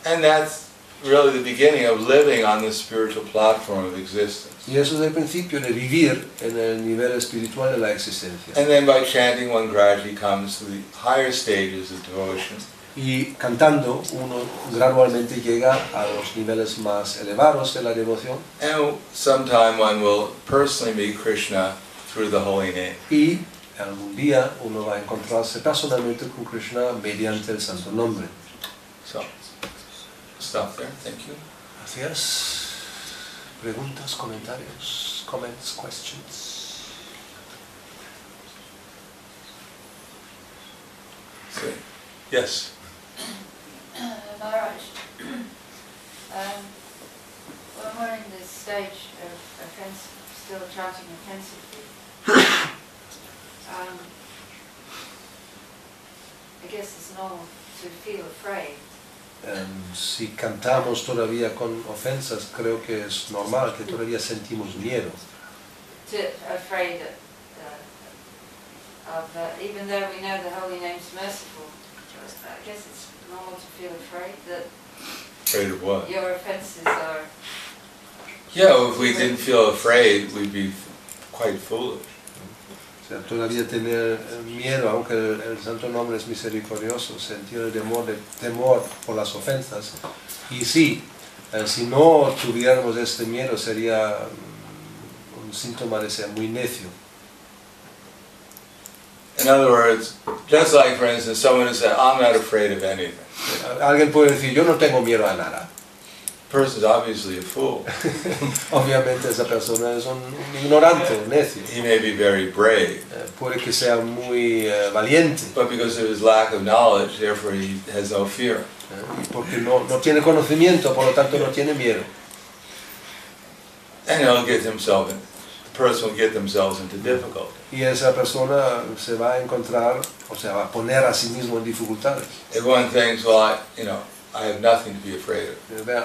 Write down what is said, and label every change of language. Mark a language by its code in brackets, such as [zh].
[en] And that's really the beginning of living on this spiritual platform of existence. [es] Y eso es el principio de vivir en el nivel espiritual de la existencia. [en] And then by chanting one gradually comes to the higher stages of devotion. [es] Y cantando uno gradualmente llega a los niveles más elevados de la devoción. [en] And sometime one will personally meet Krishna through the holy name. [es] Y algún día uno va a encontrarse personalmente con Krishna mediante el santo nombre. [en] So, stop there. Thank you. [es] Gracias. Preguntas, comentarios. [en] comments, questions? Yes. Maharaj, when we're in this stage of offensive, still chanting offensively, I guess it's normal to feel afraid. [es] Si cantamos todavía con ofensas, creo que es normal que todavía sentimos miedo. [en] Afraid of, even though we know the holy name is merciful, I guess it's normal to feel afraid that. Afraid of what? Your offenses are. Yeah, well, if we didn't feel afraid, we'd be quite foolish. [es] O sea, todavía tener miedo, aunque el Santo Nombre es misericordioso, sentir el temor por las ofensas. Y sí, si no tuviéramos este miedo, sería un síntoma de ser muy necio. [en] In other words, just like, for instance, someone who said, I'm not afraid of anything. [es] Alguien puede decir, yo no tengo miedo a nada. [en] The person is obviously a fool. [es] Obviamente esa persona es un ignorante, un necio. [en] He may be very brave. [es] Puede que sea muy valiente. [en] But because of his lack of knowledge, therefore he has no fear. [es] Porque no tiene conocimiento, por lo tanto no tiene miedo. [en] And he'll get himself in. The person will get themselves into difficulty. [es] Y esa persona se va a encontrar, o sea, va a poner a sí mismo en dificultades. [en] Everyone thinks, well, I have nothing to be afraid of.